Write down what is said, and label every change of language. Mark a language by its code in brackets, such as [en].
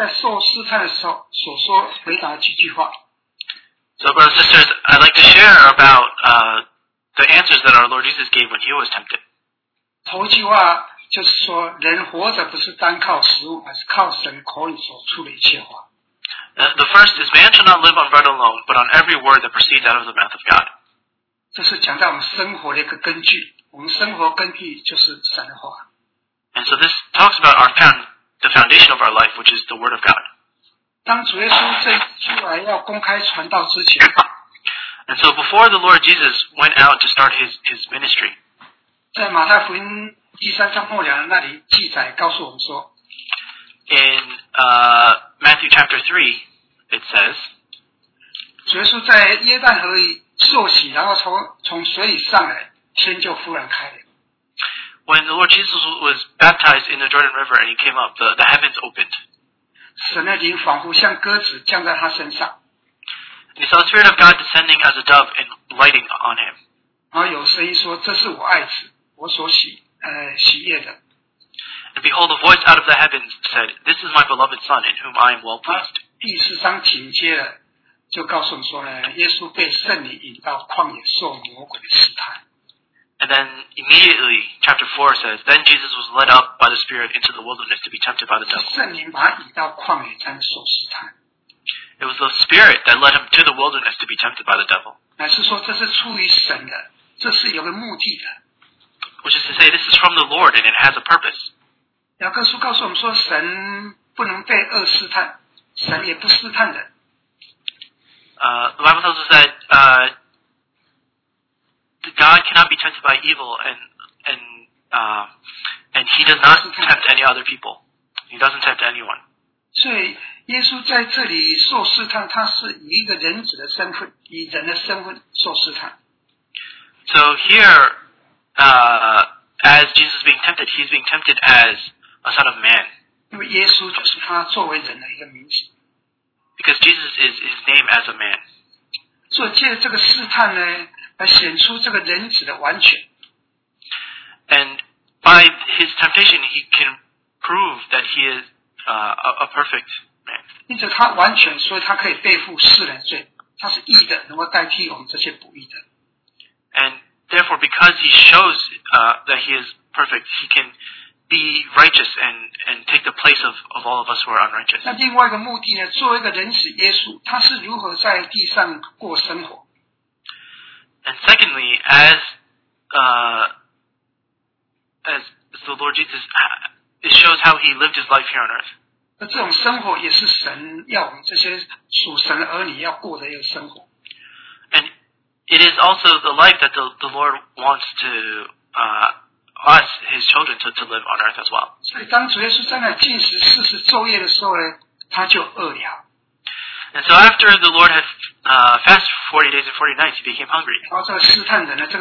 [en] So, brothers and sisters, I'd like to share about the answers that our Lord Jesus gave when he was tempted. [zh] 头句话就是说，人活着不是单靠食物，而是靠神口里所出的一切话。 [en] The first is man shall not live on bread alone, but on every word that proceeds out of the mouth of God. [zh] 这是讲到我们生活的一个根据，我们生活根据就是神的话。 [en] And so this talks about the foundation of our life, which is the Word of God. [zh] 当主耶稣这出来要公开传道之前。 [en] And so before the Lord Jesus went out to start his ministry, [zh] 在马太福音第三章末了那里记载告诉我们说 [en] ，in Matthew chapter 3, it says, [zh] 主耶稣在约旦河里受洗，然后从水里上来，天就忽然开了。 [en] When the Lord Jesus was baptized in the Jordan River and he came up, the heavens opened. [zh] 神的灵仿佛像鸽子降在他身上。 [en] He saw the Spirit of God descending as a dove and lighting on him. [zh] 然后有声音说，这是我爱子，我所喜悦的。 [en] And behold, a voice out of the heavens said, This is my beloved Son, in whom I am well pleased. [zh] 第四章紧接着就告诉我们说呢，耶稣被圣灵引到旷野受魔鬼的试探。 [en] And then immediately, chapter 4 says, Then Jesus was led up by the Spirit into the wilderness to be tempted by the devil. [zh] 圣灵把他引到旷野才能受试探。 [en] It was the Spirit that led him to the wilderness to be tempted by the devil. [zh] 乃是说这是出于神的，这是有个目的的。 [en] Which is to say, this is from the Lord and it has a purpose. [zh] 雅各书告诉我们说，神不能被恶试探，神也不试探人。 [en] The Bible tells us that God cannot be tempted by evil and he does not tempt any other people. He doesn't tempt anyone. [zh] 所以耶稣在这里受试探，他是以一个人子的身份，以人的身份受试探。 [en] So here, as Jesus is being tempted, he's being tempted as a son of man. [zh] 因为耶稣就是他作为人的一个名字。 [en] Because Jesus is his name as a man. [zh] 所以借这个试探呢，来显出这个人子的完全。 [en] And by his temptation, he can prove that he is a perfect man. [zh] 因此他完全，所以他可以背负世人罪，他是义的，能够代替我们这些不义的。 [en] And therefore, because he shows that he is perfect, he can be righteous and take the place of all of us who are unrighteous. [zh] 那另外一个目的呢？作为一个人子耶稣，他是如何在地上过生活？ [en] And secondly, as the Lord Jesus, it shows how he lived his life here on earth. [zh] 那这种生活也是神要我们这些属神的儿女要过的一个生活。 [en] It is also the life that the Lord wants to us, His children, to live on earth as well. And so after the Lord had fasted 40 days and 40 nights, He became hungry.